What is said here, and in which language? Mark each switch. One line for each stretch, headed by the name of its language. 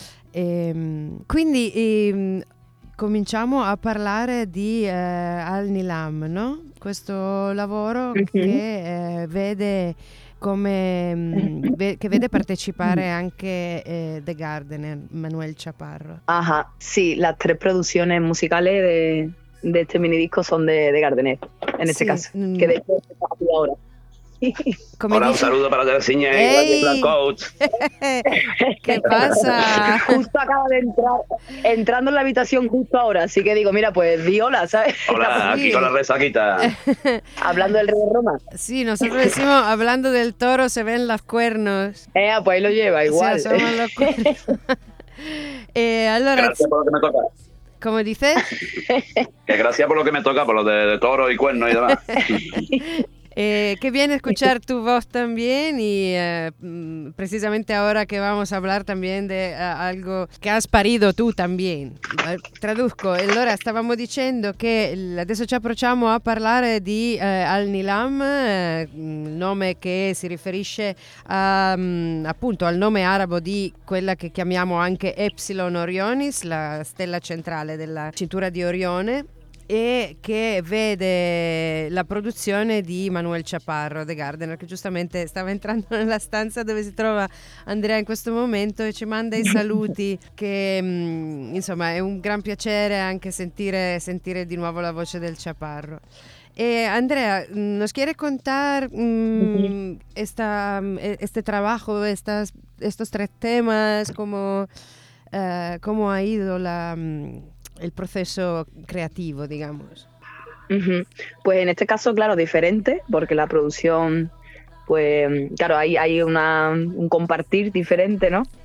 Italian: E, quindi cominciamo a parlare di Al Nilam, no? Questo lavoro che vede come che vede partecipare anche The Gardener, Manuel Chaparro.
Spanish: Ajá, sí, las tres producciones musicales de este minidisco son de Gardener, en este caso. Que de hecho está aquí ahora. Hola, un saludo para Terciña y Blackout. ¿Qué pasa? Justo acaba de entrando en la habitación justo ahora, así que digo, mira, pues di hola, ¿sabes? Hola, aquí con la resaquita. Hablando del rey de Roma. Sí, nosotros decimos, hablando del toro se ven los cuernos. Pues ahí lo lleva, igual. O sea, somos los cuernos. Allora, gracias por lo que me toca. ¿Cómo dices? Que gracias por lo que me toca, por lo de toro y cuerno y demás. Qué bien escuchar tu voz también y precisamente ahora que vamos a hablar también de algo que has parido tú también. Traduzco.
Italian: Allora, stavamo dicendo che adesso ci approcciamo a parlare di Al Nilam, nome che si riferisce appunto al nome arabo di quella che chiamiamo anche Epsilon Orionis, la stella centrale della cintura di Orione, e che vede la produzione di Manuel Chaparro, The Gardener, che giustamente stava entrando nella stanza dove si trova Andrea in questo momento e ci manda i saluti, che insomma è un gran piacere anche sentire di nuovo la voce del Chaparro.
Spanish: E Andrea, ¿nos quiere contar este trabajo, estos tres temas, cómo ha ido la... el proceso creativo, digamos. Pues en este caso, claro, diferente, porque la producción, pues claro, hay un compartir diferente, ¿no?